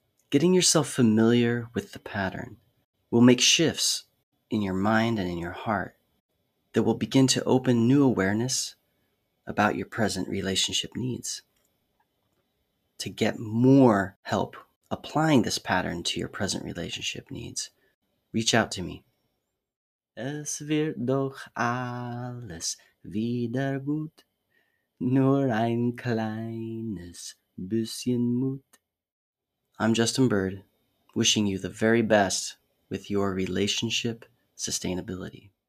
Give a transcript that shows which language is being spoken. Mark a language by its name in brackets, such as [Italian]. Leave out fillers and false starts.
[English] Getting yourself familiar with the pattern will make shifts in your mind and in your heart that will begin to open new awareness about your present relationship needs. To get more help applying this pattern to your present relationship needs, reach out to me. [German] Es wird doch alles wieder gut, nur ein kleines bisschen Mut. [English] I'm Justin Bird, wishing you the very best with your relationship sustainability.